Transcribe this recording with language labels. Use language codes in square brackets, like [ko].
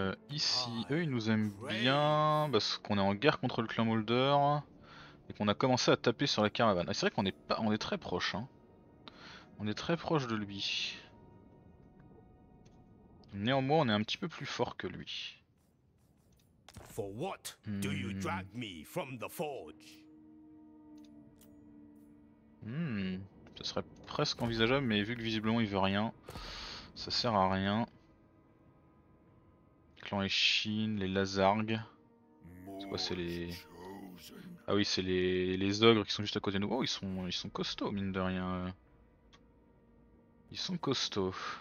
[fr] Ici, eux, ils nous aiment bien parce qu'on est en guerre contre le clan Mulder et qu'on a commencé à taper sur la caravane. Ah, c'est vrai qu'on est pas, on est très proche. Hein. On est très proche de lui. Néanmoins, on est un petit peu plus fort que lui. [en] For what do you drag me from the forge? [fr] Ce serait presque envisageable, mais vu que visiblement il veut rien, ça sert à rien. Clan Echine, les Lazargues. C'est quoi, c'est les... ah oui, c'est les ogres qui sont juste à côté de nous. Oh, ils sont costauds, mine de rien. Ils sont costauds.